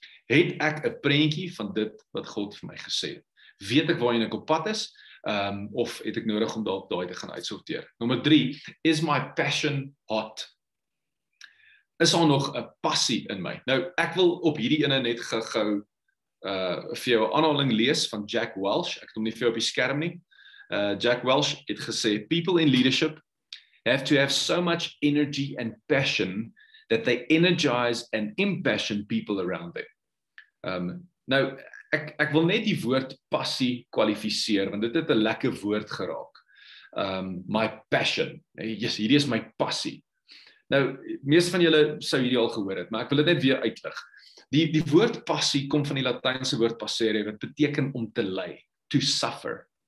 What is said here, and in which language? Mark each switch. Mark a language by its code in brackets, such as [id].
[af] Het ek 'n prentjie van dit wat God vir my gesê het? Weet ek waarheen ek op pad is? Of het ek nodig om dalk daai te gaan uitsorteer? Nommer 3, is my [en] passion hot? [af] Is daar nog 'n passie in my? Nou, ek wil op hierdie ene net gou vir jou 'n aanhaling lees van Jack Welch. Ek het hom nie vir jou op die skerm nie. Jack Welch het gesê, [en] people in leadership have to have so much energy and passion that they energize and impassion people around them. [af] Ek wil net die woord passie kwalifiseer, want dit het 'n lekker woord geraak. [en] my passion. Yes, [af] hierdie is my passie. Nou, meeste van julle sou hierdie al gehoor het, maar ek wil dit net weer uitlig. Die woord passie kom van die Latijnse woord passere, wat beteken om te ly, [en] to suffer.